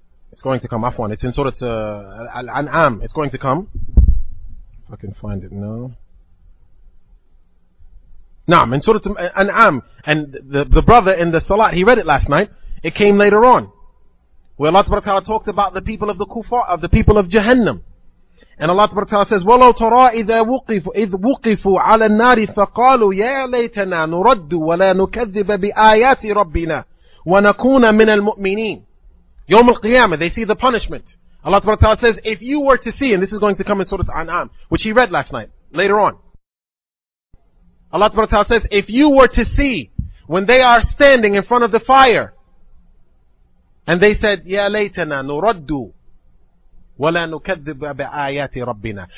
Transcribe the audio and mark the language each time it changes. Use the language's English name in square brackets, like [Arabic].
[English] It's going to come, Afwan. It's in Surah Al-An'am. It's going to come. If I can find it now. Naam, in Surah An'am, and the brother in the Salat, he read it last night. It came later on, where Allah subhanahu wa ta'ala talks about the people of the Kufar, of the people of Jahannam. And Allah subhanahu wa ta'ala says, [Arabic] وَلَوْ تَرَىٰ إِذْ وُقِفُوا عَلَى النَّارِ فَقَالُوا يَا لَيْتَنَا نُرَدُّ وَلَا نُكَذِّبَ بِآيَاتِ رَبِّنَا وَنَكُونَ مِنَ الْمُؤْمِنِينَ. يَوْمُ الْقِيَامَةِ, [English] they see the punishment. Allah subhanahu wa ta'ala says, if you were to see, and this is going to come in Surah An'am, which he read last night, later on, Allah subhanahu wa ta'ala says, if you were to see when they are standing in front of the fire and they said, [Arabic] Ya laytana nuraddu wa la nukadhdhibu bi'ayati rabbina.